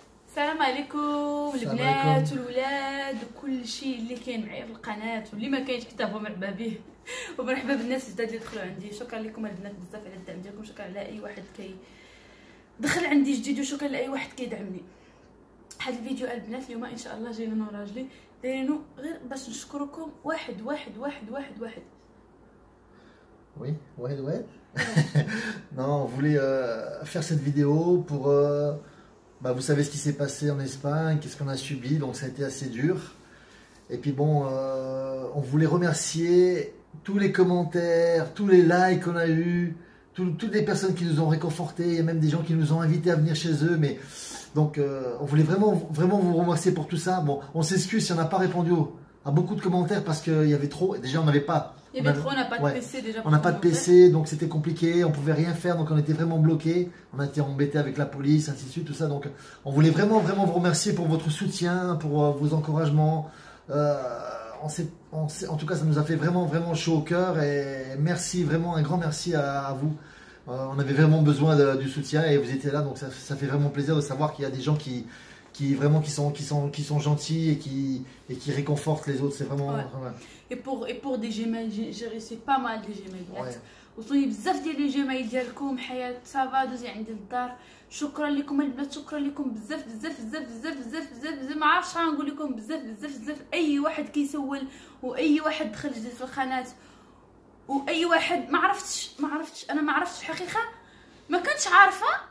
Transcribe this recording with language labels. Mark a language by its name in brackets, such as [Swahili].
[Arabic] السلام عليكم البنات والولاد وكل شيء اللي كاين معايا في القناة واللي ما كاينش حتى هو مرحبا به ومرحبا بالناس الجداد اللي دخلوا عندي. شكرا لكم البنات بزاف على الدعم ديالكم. شكرا لأي واحد كي دخل عندي جديد وشكرا لأي واحد كيدعمني. هذا الفيديو البنات اليوم ان شاء الله جاي من راجلي دايرينو غير باش نشكركم واحد واحد واحد واحد واحد [French] Oui, ouais, ouais. Non, on voulait faire cette vidéo pour. Bah, vous savez ce qui s'est passé en Espagne, qu'est-ce qu'on a subi, donc ça a été assez dur. Et puis bon, on voulait remercier tous les commentaires, tous les likes qu'on a eus, toutes les personnes qui nous ont réconfortés, il y a même des gens qui nous ont invités à venir chez eux. Mais donc, on voulait vraiment, vraiment vous remercier pour tout ça. Bon, on s'excuse si on n'a pas répondu à beaucoup de commentaires parce qu'il y avait trop. Déjà, on n'avait pas. Il y avait trop, on n'a pas de ouais. PC déjà. On n'a pas de PC, donc c'était compliqué, on pouvait rien faire, donc on était vraiment bloqué. On a été embêté avec la police, ainsi de suite, tout ça. Donc on voulait vraiment, vraiment vous remercier pour votre soutien, pour vos encouragements. En tout cas, ça nous a fait vraiment, vraiment chaud au cœur. Et merci, vraiment, un grand merci à vous. On avait vraiment besoin du soutien et vous étiez là, donc ça fait vraiment plaisir de savoir qu'il y a des gens qui sont gentils et qui réconfortent les autres, c'est vraiment ouais. Ouais. Et pour des gemails, j'ai reçu pas mal de gemails. Ouais. Vous avez [Arabic] بزاف ديال لي جيميل ديالكم حيات صافا دوزي عندي للدار. شكرا لكم البنات, شكرا لكم بزاف بزاف بزاف بزاف بزاف بزاف بزاف ما عرفتش غنقول لكم بزاف بزاف بزاف. اي واحد كيسول واي واحد دخل جديد في القناه واي واحد ما عرفتش انا ما عرفتش حقيقه, ما كنتش عارفه.